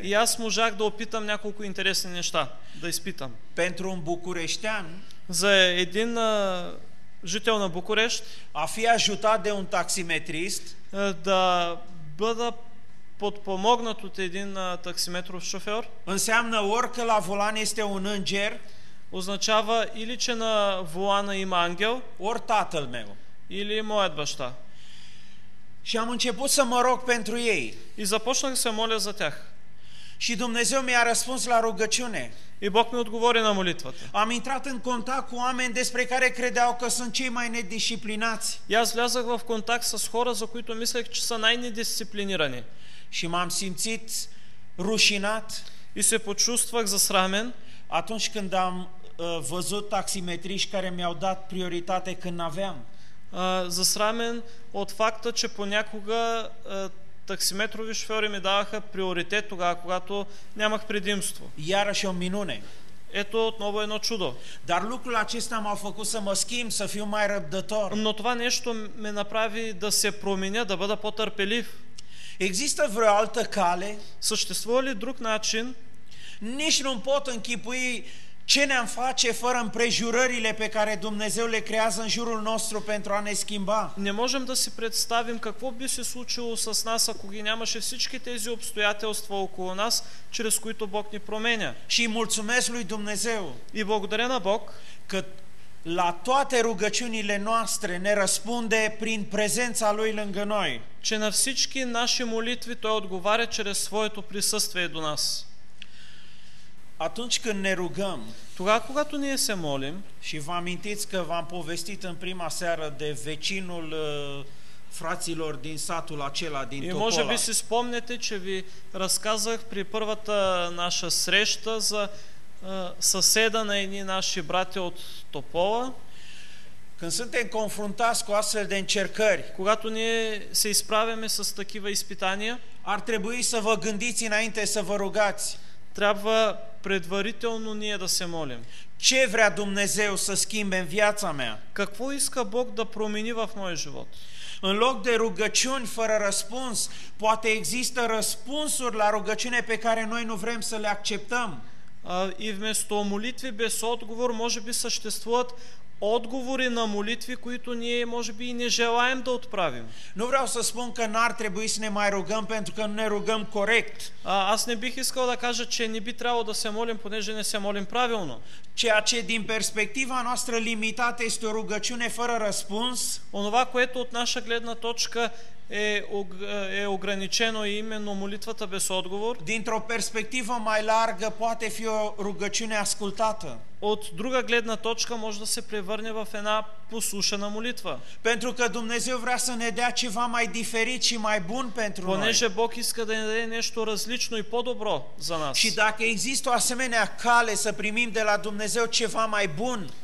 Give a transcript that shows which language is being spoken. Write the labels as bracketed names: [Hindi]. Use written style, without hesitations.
[Bulgarian] И аз можах да опитам няколко интересни неща, да изпитам. [Romanian] Pentru un bucureștean, [Bulgarian] за един жител на Букурещ, [Romanian] a fi ajutat de un taximetrist, [Bulgarian] да бъда подпомогнат от един таксиметров шофьор, [Romanian] înseamnă orică la volan este un înger, [Bulgarian] означава или че на волана има ангел, [Romanian] or tatăl meu, [Bulgarian] или моят баща. [Romanian] Și am început să mă rog pentru ei. [Bulgarian] И започнах да се моля за тях. [Romanian] Și Dumnezeu mi-a răspuns la rugăciune. [Bulgarian] И Бог ми отговори на молитвата. [Romanian] Am intrat în contact cu oameni despre care credeau că sunt cei mai nedisciplinați. [Bulgarian] И аз влязах в контакт с хора, за които мислех, че са най-недисциплинирани. [Romanian] Și m-am simțit rușinat. [Bulgarian] И се почувствах засрамен. [Romanian] Atunci când am văzut taximetriști care mi-au dat prioritate când aveam. [Bulgarian] Засрамен от факта, че понякога таксиметрови шофьори ми даваха приоритет тогава, когато нямах предимство. [Romanian] Iarăși o minune. [Bulgarian] Ето отново едно чудо. [Romanian] Dar lucrul acesta m-a făcut să mă schimb, să fiu mai răbdător. [Bulgarian] Но това нещо ме направи да се променя, да бъда по-търпелив. [Romanian] Există vreo altă cale? [Bulgarian] Съществува ли друг начин? [Romanian] Nici nu pot închipui ce ne-am face fără împrejurările pe care Dumnezeu le creează în jurul nostru pentru a ne schimba. [Bulgarian] Не можем да си представим какво би се случило с нас, ако ги нямаше всички тези обстоятелства около нас, чрез които Бог ни променя. [Romanian] Și mulțumesc lui Dumnezeu. [Bulgarian] И благодаря на Бог, [Romanian] că la toate rugăciunile noastre ne răspunde prin prezența Lui lângă noi. [Bulgarian] Че на всички наши молитви Той отговаря чрез своето присъствие до нас. [Romanian] Atunci când ne rugăm, [Bulgarian] тогава, когато ние се молим, [Romanian] și vă amintiți că v-am povestit în prima seară de vecinul fraților din satul acela din Topola. [Bulgarian] И може би си спомнете, че ви разказах при първата наша среща за съседа на едни наши брати от Топола. [Romanian] Când suntem confruntați cu astfel de încercări, [Bulgarian] когато ние се изправяме с такива изпитания, [Romanian] ar trebui să vă gândiți înainte să vă rugați. [Bulgarian] Трябва предварително ние да се молим. [Romanian] Ce vrea Dumnezeu să schimbe în viața mea? [Bulgarian] Какво иска Бог да промени в моя живот? [Romanian] În loc de rugăciuni fără răspuns, poate există răspunsuri la rugăciune pe care noi nu vrem să le acceptăm. [Bulgarian] И вместо молитви без отговор, може би съществуват отговори на молитви, които ние може би и не желаем да отправим. [Romanian] Nu vreau să spun că n-ar trebui să ne mai rugăm pentru că ne rugăm corect. [Bulgarian] Аз не бих искал да кажа, че не би трябвало да се молим, понеже не се молим правилно. [Romanian] Ceea ce din perspectiva noastră limitată este o rugăciune fără răspuns. [Bulgarian] Онова, което от наша гледна точка е ограничено, именно молитвата без отговор. [Romanian] Dintr-o perspectivă mai largă poate fi o rugăciune ascultată. [Bulgarian] От друга гледна точка може да се превърне в една послушана молитва. [Romanian] Pentru că Dumnezeu vrea să ne dea ceva mai diferit și mai bun pentru noi. [Bulgarian] Понеже Бог иска да ни даде нещо различно и по-добро за нас. [Romanian] Și dacă există o asemenea cale să primim de la Dumnezeu ceva mai bun,